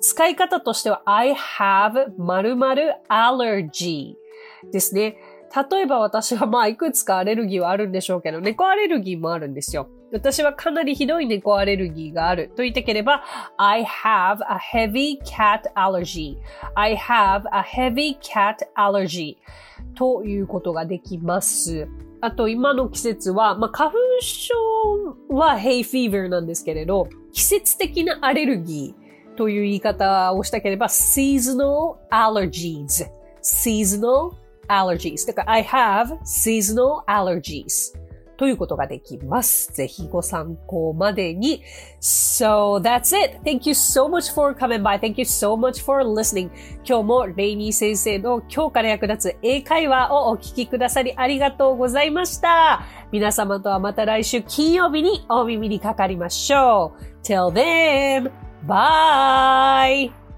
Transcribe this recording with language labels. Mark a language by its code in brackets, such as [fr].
[ja] 使い方としては [en] I have 〇〇 allergy [ja] ですね。例えば私はまあいくつかアレルギーはあるんでしょうけど、猫アレルギーもあるんですよ。私はかなりひどい猫アレルギーがあると言ってければ [en] I have a heavy cat allergy. I have a heavy cat allergy [ja] ということができます。あと今の季節は、まあ、花粉症は hay fever なんですけれど、季節的なアレルギーという言い方をしたければ [en] seasonal allergies seasonal allergies [ja] だから [en] I have seasonal allergies [ja] ということができます。ぜひご参考までに。 [en] So that's it. Thank you so much for coming by. Thank you so much for listening. [ja] 今日もレイニー先生の今日から役立つ英会話をお聞きくださりありがとうございました。皆様とはまた来週金曜日にお耳にかかりましょう。 [en] Till thenBye!